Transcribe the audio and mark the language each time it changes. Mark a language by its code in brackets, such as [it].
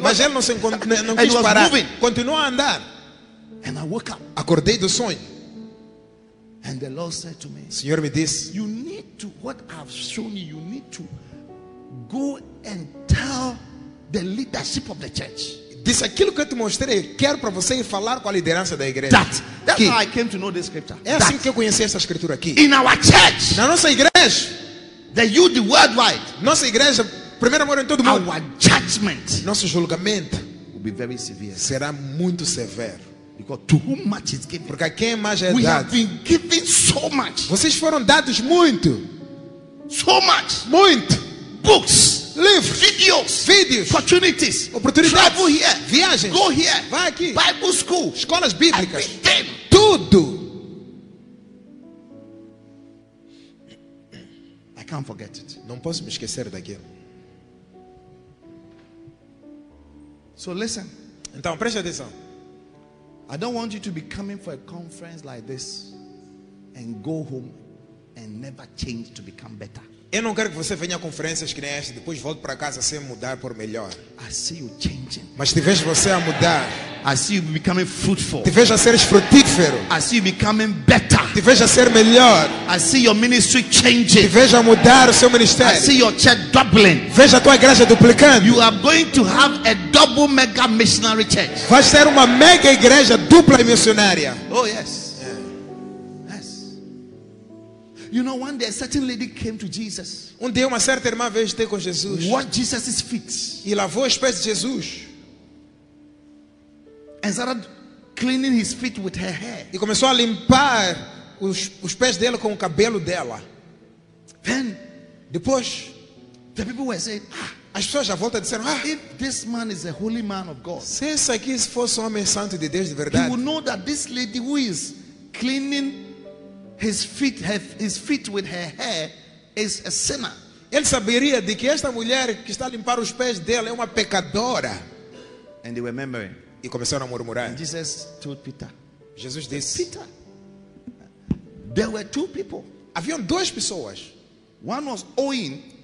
[pt] mas ele não se não quis parar. [en] Moving. [pt] Continuou a andar. [en] And I woke up. [pt] Acordei do sonho. [en] And the Lord said to me, [pt] Senhor me disse, [en] you need to what I've shown you, you need to go and tell the leadership of the church. [pt] Disse aquilo que eu te mostrei, quero para você ir falar com a liderança da igreja. [en] That's how I came to know this scripture. [pt] É assim que eu conheci essa escritura aqui. [en] In our church. [pt] Na nossa igreja. [en] The youth worldwide. [pt] Nossa igreja, primeiro amor em todo [en] our [pt] mundo. [en] Our judgment. [pt] Nosso julgamento. [en] Will be very severe. [pt] Será muito severo. [en] Because to whom much is given. [pt] Porque a quem mais é [en] we [pt] dado. [en] We have been given so much. [pt] Vocês foram dados muito. [en] So much. [pt] Muito. [en] Books. Live. Videos. Opportunities. [pt] Oportunidades. [en] Travel here. [pt] Viagens. [en] Go here. [pt] Vai aqui. [en] Bible school. [pt] Escolas bíblicas. [en] Everything. [pt] Tudo. [en] I can't forget it. [pt] Não posso me esquecer daquilo. [en] So listen. [pt] Então preste atenção. [en] I don't want you to be coming for a conference like this and go home and never change to become better. [pt] Eu não quero que você venha a conferências que nem esta e depois volte para casa sem mudar por melhor. [en] I see you changing. [pt] Mas te vejo você a mudar. [en] I see you becoming fruitful. [pt] Te vejo a seres frutífero. [en] I see you becoming better. [pt] Te vejo a ser melhor. [en] I see your ministry changing. [pt] Te vejo a mudar o seu ministério. [en] I see your church doubling. [pt] Vejo a tua igreja duplicando. [en] You are going to have a double mega missionary church. [pt] Vai ser uma mega igreja dupla missionária. [en] Oh yes. You know, one day a certain lady came to Jesus. [pt] Um dia uma certa irmã veio ter com Jesus. [en] Washed Jesus' feet. [pt] E lavou os pés de Jesus. [en] And started cleaning his feet with her hair. [pt] E começou a limpar os pés dela com o cabelo dela. [en] Then, [pt] depois, [en] the people were saying, [pt] as pessoas à volta disseram, [en] if this man is a holy man of God, [pt] se esse aqui fosse um homem santo de Deus de verdade, [en] he would know that this lady who is cleaning His feet with her hair is a sinner. [pt] Ele saberia de que esta mulher que está a limpar os pés dela é uma pecadora. [en] And they were murmuring. [pt] E começaram a murmurar. [en] And Jesus told Peter. [pt] Jesus disse. [en] Peter. There were two people. [pt] Haviam duas pessoas. [en] One was owing.